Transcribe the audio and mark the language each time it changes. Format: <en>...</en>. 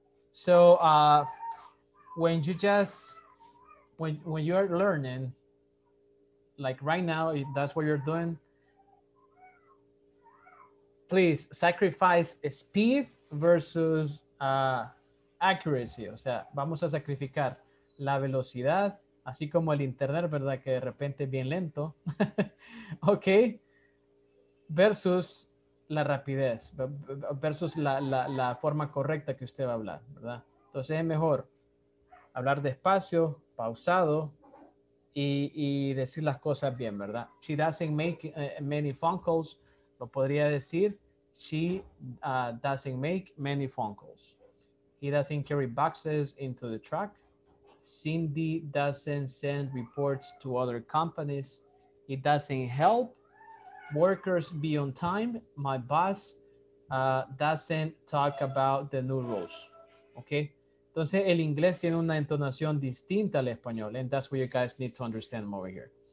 <en>So when you are learning, like right now, if that's what you're doing, please sacrifice speed versus accuracy.</en> <es>O sea, vamos a sacrificar la velocidad, así como el internet, ¿verdad? Que de repente es bien lento. Ok. Versus la rapidez, versus la forma correcta que usted va a hablar, ¿verdad? Entonces es mejor hablar despacio, pausado y decir las cosas bien, ¿verdad?</es> <en>She doesn't make many phone calls.</en> <es>Lo podría decir.</es> <en>She doesn't make many phone calls. He doesn't carry boxes into the truck. Cindy doesn't send reports to other companies. It doesn't help workers be on time. My boss doesn't talk about the new rules. Okay.</en> <es>Entonces, el inglés tiene una entonación distinta al español.</es> <en>And that's what you guys need to understand over here.</en>